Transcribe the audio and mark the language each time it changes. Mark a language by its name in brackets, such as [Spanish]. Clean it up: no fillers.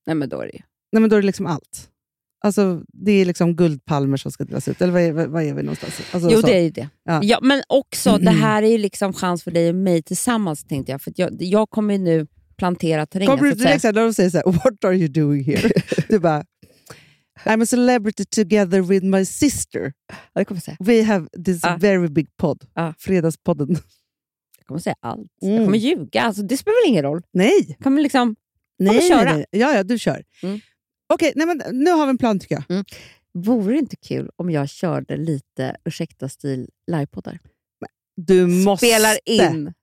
[Swedish] Nej, men då är det ju. Nej, men då är det liksom allt. Alltså, det är liksom guldpalmer som ska delas ut. Eller vad är vi någonstans? Alltså, jo, så. Det är ju det. Ja, ja, men också, det här är ju liksom chans för dig och mig tillsammans, tänkte jag. För att jag kommer ju nu plantera terrängen. Kommer du direkt när de säger så här, [English] what are you doing here? [Swedish] Du bara... [English] I'm a celebrity together with my sister. [Swedish] Ja, det kommer jag säga. [English] We have this very big pod. [Swedish] Fredagspodden. Jag kommer säga allt. Mm. Jag kommer ljuga. Alltså, det spelar väl ingen roll? Nej. Kommer liksom... Nej, köra. Nej, nej. Ja, du kör. Mm. Okej, okay, nu har vi en plan tycker jag. Mm. Vore det inte kul om jag körde lite ursäkta-stil livepoddar? Du måste. Spelar in.